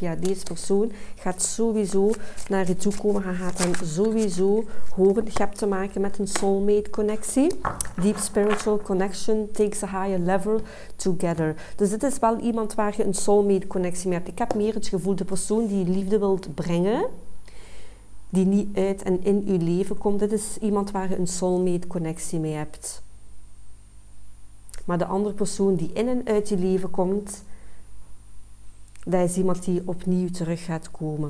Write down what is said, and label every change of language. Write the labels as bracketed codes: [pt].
[nl] Ja, deze persoon gaat sowieso naar je toe komen. Hij gaat hem sowieso horen. Je hebt te maken met een soulmate connectie. [en] Deep spiritual connection takes a higher level together. [nl] Dus dit is wel iemand waar je een soulmate connectie mee hebt. Ik heb meer het gevoel, de persoon die je liefde wilt brengen, die niet uit en in je leven komt. Dit is iemand waar je een soulmate-connectie mee hebt. Maar de andere persoon die in en uit je leven komt, dat is iemand die opnieuw terug gaat komen.